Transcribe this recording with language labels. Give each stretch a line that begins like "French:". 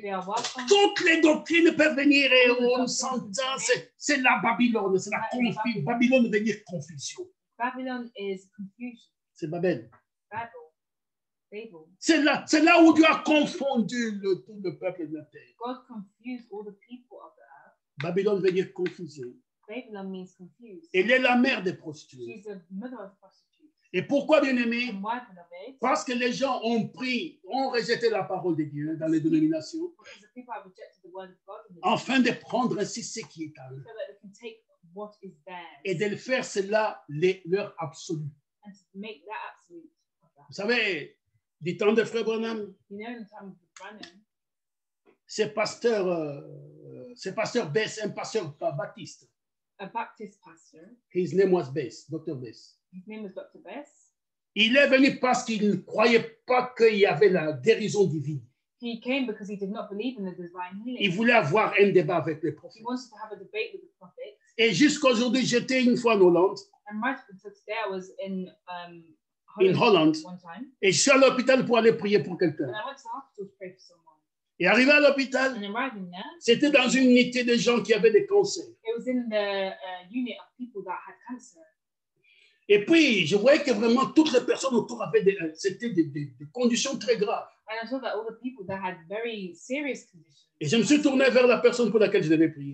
English: They are welcome.
French: Toutes les doctrines peuvent venir et on s'entend. C'est la Babylone, c'est la confusion. Babylone veut dire confusion.
English: Babylon is confusion.
French: C'est Babel.
English: Babel.
French: C'est là où Dieu a confondu tout le peuple de la terre.
English: God confused all the people of the earth.
French: Babylone veut dire confusion.
English: Babylon means confused.
French: Elle est la mère des prostituées.
English: She's the mother of prostitutes.
French: Et pourquoi, bien-aimée?
English: And why, beloved?
French: Parce que les gens ont pris, ont rejeté la parole de Dieu dans les dénominations.
English: Because the people have rejected the word of God.
French: Afin de prendre ainsi ce qui est à eux.
English: So that they can take what is theirs.
French: Et de le faire cela leur absolu.
English: And to make that absolute.
French: Vous savez, du temps de Frère Branham.
English: You know, in the time of Branham.
French: Ce pasteur Bess, un pasteur baptiste.
English: A Baptist pastor. His name was Bess, Dr. Bess. His name was Dr. Bess.
French: Il est venu parce qu'il ne croyait pas qu'il y avait la guérison divine.
English: He came because he did not believe in the divine healing.
French: Il voulait avoir un débat avec les prophètes.
English: He wanted to have a debate with the prophets.
French: Et jusqu'à aujourd'hui, j'étais une fois en Hollande.
English: And right until today, I was in Holland. One time.
French: Et je suis à l'hôpital pour aller prier pour quelqu'un.
English: And I went to the hospital to pray for someone.
French: Et arrivé à l'hôpital, c'était dans une unité de gens qui avaient des cancers.
English: It was in the unit of people that had cancer.
French: Et puis, je voyais que vraiment toutes les personnes autour avaient des conditions très graves.
English: And I saw that all the people that had very serious conditions.
French: Et je me suis tourné vers la personne pour laquelle je devais prier.